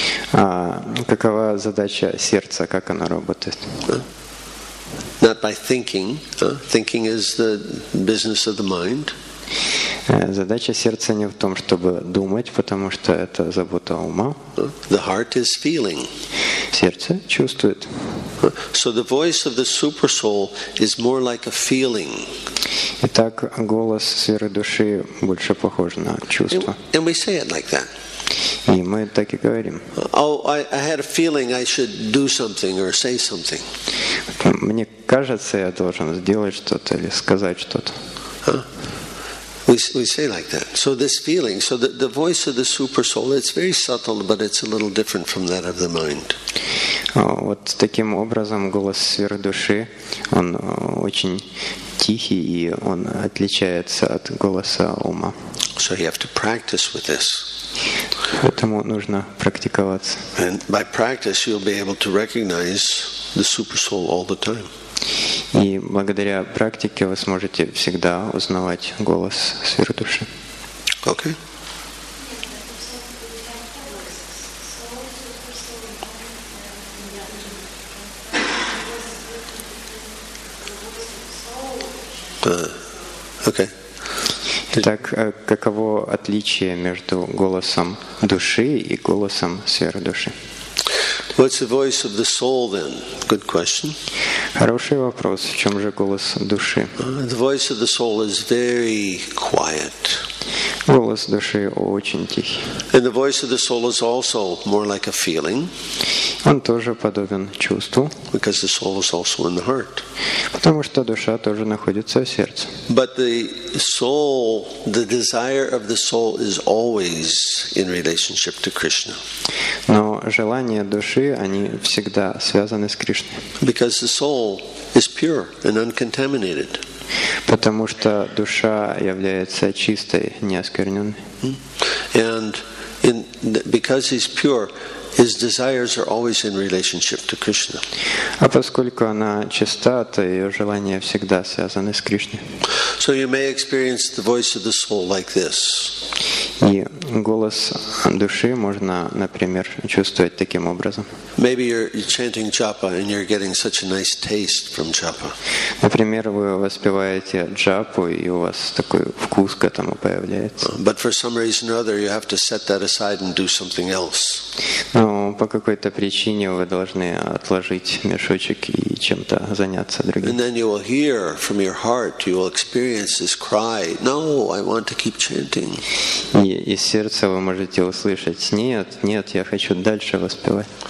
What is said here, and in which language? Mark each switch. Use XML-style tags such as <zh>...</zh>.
<ru>Какова задача сердца, как оно работает?</ru> <en>Not by thinking. Thinking is the business of the mind.</en> <ru>Задача сердца не в том, чтобы думать, потому что это забота ума.</ru> <en>The heart is feeling.</en> <ru>Сердце чувствует.</ru> <en>So the voice of the super soul is more like a feeling.</en> <ru>Итак, голос сверхдуши больше похож на чувство.</ru> <en>And we say it like that.</en> <ru>И мы так и говорим.</ru> <en>Oh, I had a feeling I should do something or say something.</en> <ru>Мне кажется, я должен сделать что-то или сказать что-то.</ru> <en>We say like that. So this feeling, so the voice of the super soul, it's very subtle, but it's a little different from that of the mind.</en> <ru>Вот таким образом голос сверхдуши, он очень тихий, и он отличается от голоса ума.</ru> <en>So you have to practice with this.</en> <ru>Поэтому нужно практиковаться.</ru> <en>And by practice, you'll be able to recognize the super soul all the time.</en> <ru>И благодаря практике вы сможете всегда узнавать голос сверхдуши.</ru> <en>Okay. Okay.</en> <ru>Итак, каково отличие между голосом души и голосом сверхдуши?</ru> <en>What's the voice of the soul then? Good question.</en> <ru>Хороший вопрос. В чем же голос души?</ru> <en>The voice of the soul is very quiet.</en> <ru>Голос души очень тихий.</ru> <en>And the voice of the soul is also more like a feeling.</en> <ru>Он тоже подобен чувству.</ru> <en>Because the soul is also in the heart.</en> <ru>Потому что душа тоже находится в сердце.</ru> <en>But the soul, the desire of the soul is always in relationship to Krishna.</en> <ru>Но желания души, они всегда связаны с Кришной.</ru> <en>Because the soul is pure and uncontaminated.</en> <ru>Потому что душа является чистой, неоскверненной.</ru> <en>And because he's pure, his desires are always in relationship to Krishna.</en> <ru>А поскольку она чиста, то ее желания всегда связаны с Кришной.</ru> <en>So you may experience the voice of the soul like this.</en> <ru>И голос души можно, например, чувствовать таким образом.</ru> <en>Maybe you're chanting japa and you're getting such a nice taste from japa.</en> <ru>Например, вы воспеваете джапу, и у вас такой вкус к этому появляется.</ru> <en>But for some reason or other, you have to set that aside and do something else.</en> <ru>Но по какой-то причине вы должны отложить мешочек и чем-то заняться другим.</ru> <en>And then you will hear from your heart, you will experience this cry, no, I want to keep chanting.</en> <ru>И из сердца вы можете услышать, нет, я хочу дальше воспевать.</ru>